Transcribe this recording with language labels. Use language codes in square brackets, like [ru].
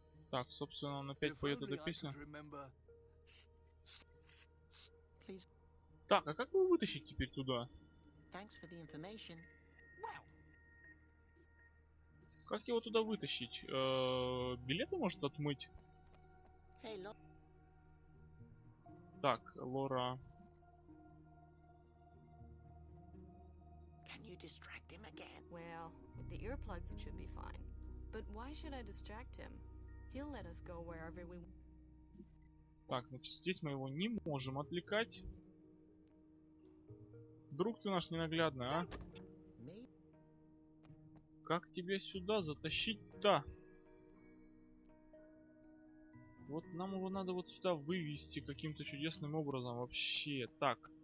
[ru] Так, собственно, он опять поет эту песню. [en] Please. [ru] Так, а как его вытащить теперь туда? [en] Thanks for the information. Well. [ru] Как его туда вытащить? Билеты может отмыть? [en] Hey, [ru] так, Лора. [en] Can you distract him again? Well, with the earplugs it should be fine. But why should I distract him? He'll let us go wherever we. [ru] Так, значит, здесь мы его не можем отвлекать. Друг ты наш ненаглядный, а? Как тебя сюда затащить-то? Вот нам его надо вот сюда вывести каким-то чудесным образом вообще. Так.